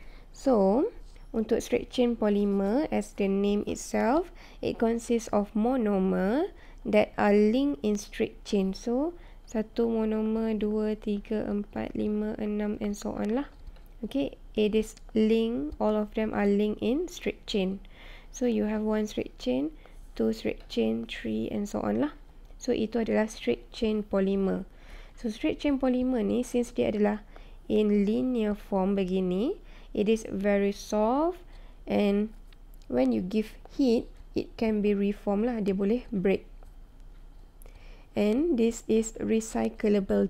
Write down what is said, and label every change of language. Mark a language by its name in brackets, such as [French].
[English] So, untuk straight chain polymer, as the name itself, it consists of monomer that are linked in straight chain. [Malay] So, satu monomer, dua, tiga, empat, lima, enam [English] and so on [Malay] lah. [English] Okay, it is linked, all of them are linked in straight chain. So, you have one straight chain, two straight chain, three and so on lah. [Malay] So, itu adalah straight chain polymer. [English] So, straight chain polymer ni, since [Malay] dia adalah [English] in linear form begini, it is very soft and when you give heat, it can be reformed lah. [Malay] Dia boleh [English] break. And this is recyclable.